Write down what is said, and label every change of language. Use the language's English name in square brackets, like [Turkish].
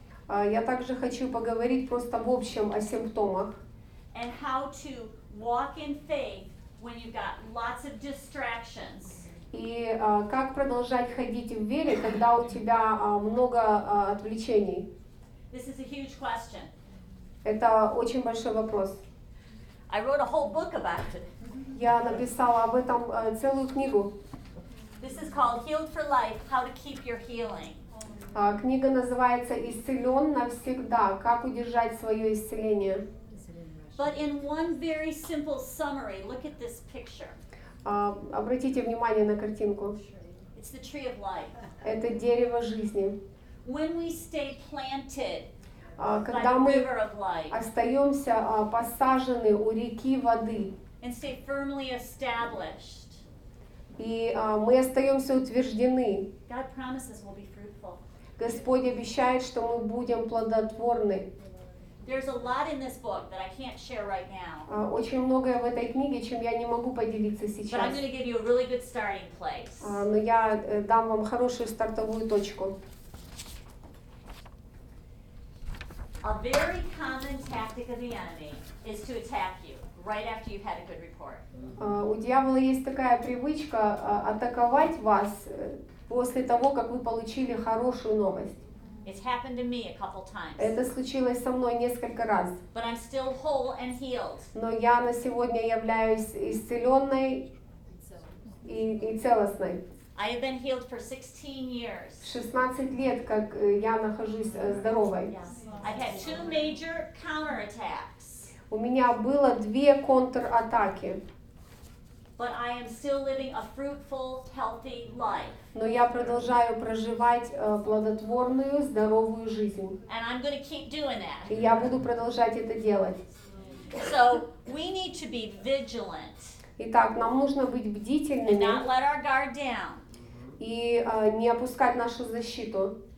[Russian] Я также хочу поговорить просто в общем о симптомах. [English] How to walk in faith when you've got lots of distractions. [Russian] И как продолжать ходить в вере, когда у тебя много отвлечений? [English] This is a huge question. [Russian] Это очень большой вопрос. [English] I wrote a whole book about it. [Russian] Я написала об этом целую книгу. [English] This is called Healed for Life: How to Keep Your Healing. [Russian] Книга называется «Исцелён навсегда. Как удержать своё исцеление». [English] But in one very simple summary, look at this picture. [Russian] Обратите внимание на картинку. [English] It's the tree of life. [Russian] Это дерево жизни. [English] When we stay planted [Russian] когда мы остаёмся посажены у реки воды [English] and stay firmly established, [Russian] и мы остаёмся утверждены, [English] God promises we'll be fruitful. [Russian] Господь обещает, что мы будем плодотворны. [English] There's a lot in this book that I can't share right now. [Russian] Очень многое в этой книге, чем я не могу поделиться сейчас. [English] But I'm going to give you a really good starting place. [Russian] Но я дам вам хорошую стартовую точку. [English] A very common tactic of the enemy is to attack you right after you've had a good report. [Russian] У дьявола есть такая привычка атаковать вас после того, как вы получили хорошую новость. [English] It's happened to me a couple times. [Russian] Это случилось со мной несколько раз. [English] But I'm still whole and healed. [Russian] Но я на сегодня являюсь исцеленной и целостной. [English] I have been healed for 16 years. [Russian] 16 лет, как я нахожусь здоровой. [English] Yeah. I've had two major counterattacks. [Russian] У меня было две контратаки. [English] But I am still living a fruitful, healthy life. [Russian] Но я продолжаю проживать плодотворную, здоровую жизнь. [English] And I'm going to keep doing that. [Russian] И я буду продолжать это делать. [English] So we need to be vigilant. [Russian] Итак, нам нужно быть бдительными. [English] And not let our guard down. [Russian] И не опускать нашу защиту.